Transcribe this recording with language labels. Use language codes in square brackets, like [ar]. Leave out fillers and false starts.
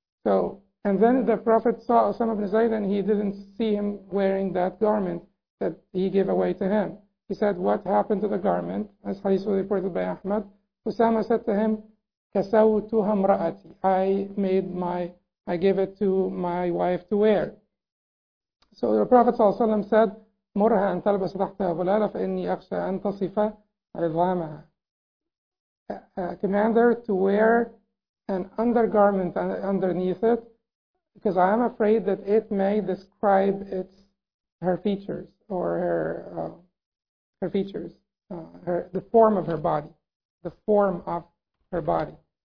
[en] So, and then the Prophet saw Osama bin Zayd, and he didn't see him wearing that garment that he gave away to him. He said, what happened to the garment? As hadith was reported by Ahmad, Usama said to him, [ar] كَسَوْتُهَا مْرَأَتِي. [en] I gave it to my wife to wear. So the Prophet ﷺ said, [ar] مُرْهَا أَن تَلْبَسَ تَحْتَهَا بُلَالَ فَإِنِّي أَخْشَى أَن تَصِفَ عِظَامَهَا. [en] A commander to wear an undergarment underneath it, because I am afraid that it may describe its her features or her her features, her the form of her body, the form of her body.